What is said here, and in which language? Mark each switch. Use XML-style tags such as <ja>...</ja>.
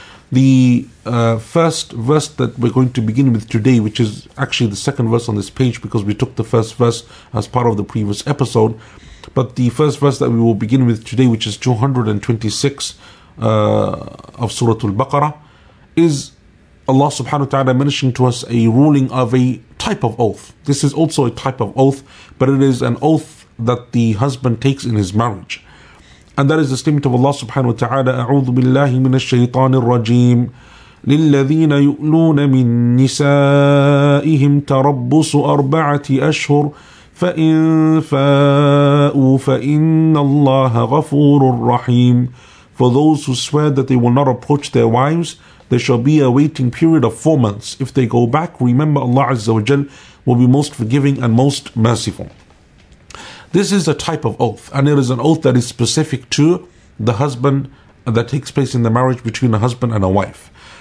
<en>The first verse that we're going to begin with today, which is actually the second verse on this page because we took the first verse as part of the previous episode, but the first verse that we will begin with today, which is 226 of Surah Al-Baqarah, is Allah subhanahu wa ta'ala mentioning to us a ruling of a type of oath. This is also a type of oath, but it is an oath that the husband takes in his marriage. And that is the statement of Allah subhanahu wa ta'ala,</en> <ar>أعوذ بالله من الشيطان الرجيم للذين يؤلون من نسائهم تربص أربعة أشهر فإن فاءوا فإن الله غفور رحيم.</ar> <en>For those who swear that they will not approach their wives, there shall be a waiting period of 4 months. If they go back, remember Allah Azza wa Jal will be most forgiving and most merciful. This is a type of oath, and it is an oath that is specific to the husband that takes place in the marriage between a husband and a wife.</en>